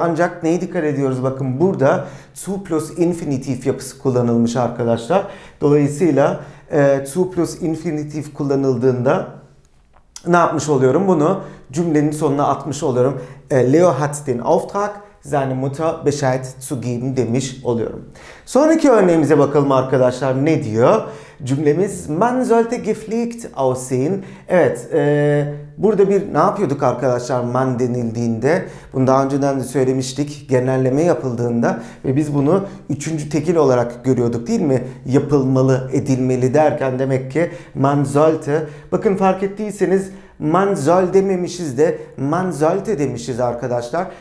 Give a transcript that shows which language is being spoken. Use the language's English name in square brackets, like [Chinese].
[Turkish] Ancak neye dikkat ediyoruz? Bakın burada [English] to plus infinitive [Turkish] yapısı kullanılmış arkadaşlar. Dolayısıyla [English] to plus infinitive [Turkish] kullanıldığında ne yapmış oluyorum? Bunu cümlenin sonuna atmış oluyorum. [German] Leo hat den Auftrag seine Mutter Bescheid zu geben [Turkish] demiş oluyorum. Sonraki örneğimize bakalım arkadaşlar. Ne diyor? Cümlemiz [German] man sollte gepflegt aussehen. [Turkish] Evet, burada bir ne yapıyorduk arkadaşlar? Man denildiğinde, bunu daha önceden de söylemiştik, genelleme yapıldığında ve biz bunu üçüncü tekil olarak görüyorduk, değil mi? Yapılmalı, edilmeli derken demek ki [German] man sollte. [Turkish] Bakın fark ettiyseniz [German] man soll [Turkish] dememişiz de [German] man sollte [Turkish] demişiz arkadaşlar.